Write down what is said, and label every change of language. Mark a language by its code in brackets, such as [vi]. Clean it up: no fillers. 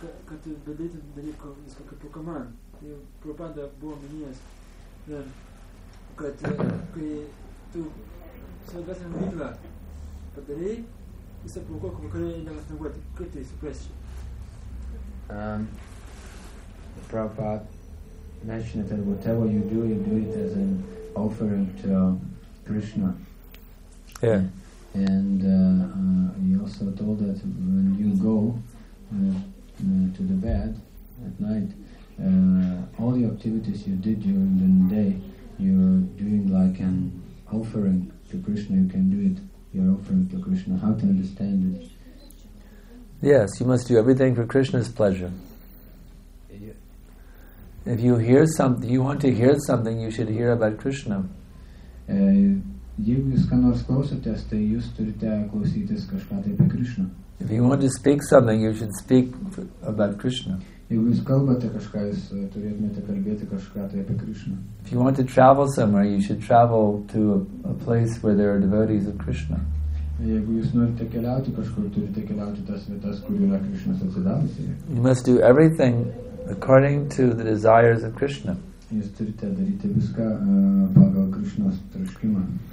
[lt] kad dalyti dalyko viską, kaip ir man. Tai Prabhupada buvo minėjęs, kad kai tu svarbiausiam vykdą padarėjai, jis apmokok vakarėje įdėmas neguoti. Kaip tai suprasti? [en] Prabhupada mentioned that whatever you do it as an offering to Krishna. Yeah. And he also told that when you go to the bed at night, all the activities you did during the day, you're doing like an offering to Krishna. You can do it, you're offering to Krishna. How to understand it? Yes, you must do everything for Krishna's pleasure. If you hear something, you want to hear something, you should hear about Krishna. [lt] Jeigu jūs ką nors klausotės, tai jūs turite klausytis kažką tai apie Krishna. [en] If you want to speak something, you should speak about Krishna. [lt] Jeigu jūs kalbate kažką, jūs turėtumėte kalbėti kažką tai apie Krishna. [en] If you want to travel somewhere, you should travel to a place where there are devotees of Krishna. [lt] Jeigu jūs norite keliauti kažkur, turite keliauti tas vietas, kur yra Krishna's atsidavusi. [en] You must do everything according to the desires of Krishna. [lt] Jūs turite daryti viską pagal Krishna's troškimą.